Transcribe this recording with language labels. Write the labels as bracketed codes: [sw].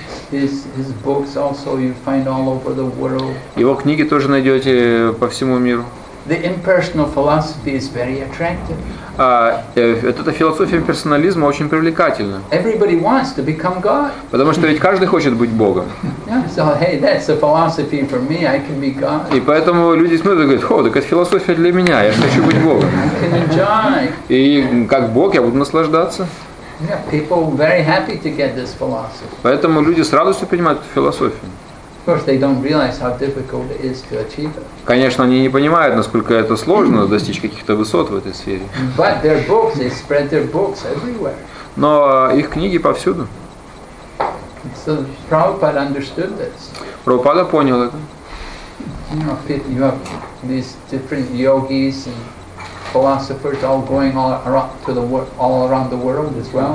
[en] His books also you find all over the world. [ru] Его книги тоже найдете по всему миру. [en] The impersonal philosophy is very attractive. [ru] Эта философия имперсонализма очень привлекательна. [en] Everybody wants to become God. [ru] Потому что ведь каждый хочет быть Богом. [en] So hey, that's a philosophy for me. I can be God. [ru] И поэтому люди смотрят и говорят: «О, так это философия для меня. Я хочу быть Богом». [en] I can enjoy. [ru] И как Бог я буду наслаждаться. [en] Yeah, people very happy to get this philosophy. [ru] Поэтому люди с радостью принимают эту философию. [en] Of course, they don't realize how difficult it is to achieve it. [ru] Конечно, они не понимают, насколько это сложно достичь каких-то высот в этой сфере. [en] But their books, they spread their books everywhere. [ru] Но их книги повсюду. [en] So Prabhupada understood this. [ru] Прабхупада понял это. [en] You know, you have these different yogis and philosophers all going all around to the world, all around the world as well.